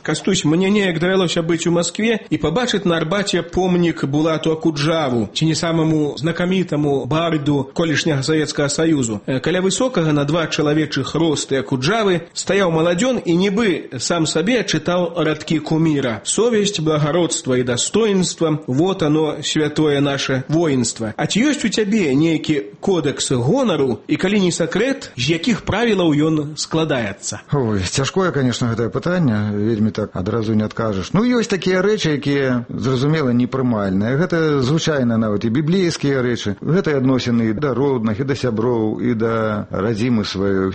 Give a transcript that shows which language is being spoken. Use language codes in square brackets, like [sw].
[be] Кастусь, мне неяк давялося быць у Маскве і пабачыць на Арбаце помнік Булату Акуджаву, ці не самаму знакамітаму барду колішняга Савецкага Саюзу. Каля высокага на два чалавечых росты Акуджавы стаяў маладзён і нібы сам сабе чытаў радкі куміра. [ru] Совесть, благородство и достоинство – вот оно, святое наше воинство. [be] А ці ёсць у цябе нейкі кодекс гонару, и калі не сакрэт, з якіх правілаў ён складаецца? Ой, цяжкое, конечно, гэтае пытанне, вельмі так адразу не адкажаш. Ну, ёсць такія рэчы, якія, зразумела, непрымальныя. Гэта звычайна нават і біблейскія рэчы. Гэта адносіны і да родных, і да сяброў, і да радзімы сваёй.